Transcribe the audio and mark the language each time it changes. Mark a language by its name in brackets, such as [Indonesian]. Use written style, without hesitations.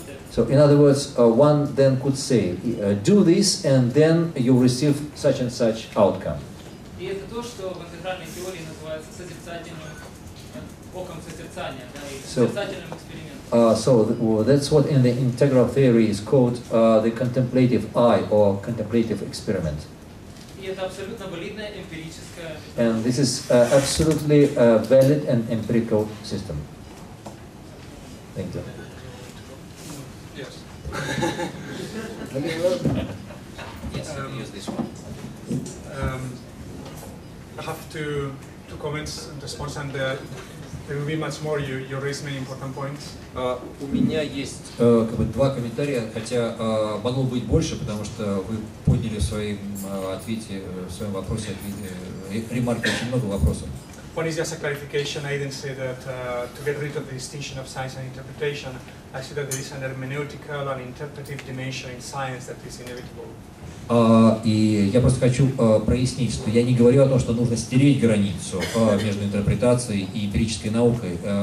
[English] So in other words, one then could say, do this and then you receive such and such outcome. [Russian] И это то, что в интегральной теории называется созерцательным оком созерцания, да, созерцательным экспериментом. [English] That's what in the integral theory is called the contemplative eye or contemplative experiment. [Russian] И это абсолютно валидная эмпирическая. [English] And this is absolutely valid and empirical system. Thank you. Yes. Yes, use this one. I have two comments and response, and there will be much more. You raised many important points. [Russian] У меня есть как бы два комментария, хотя могло быть больше, потому что вы подняли в своем ответе, в своем вопросе ремарки очень много вопросов. [English] One is just a clarification. I didn't say that to get rid of the distinction of science and interpretation. I see that there is an hermeneutical and interpretive dimension in science that is inevitable. [Russian] И я просто хочу прояснить, что я не говорю о том, что нужно стереть границу между интерпретацией и эмпирической наукой.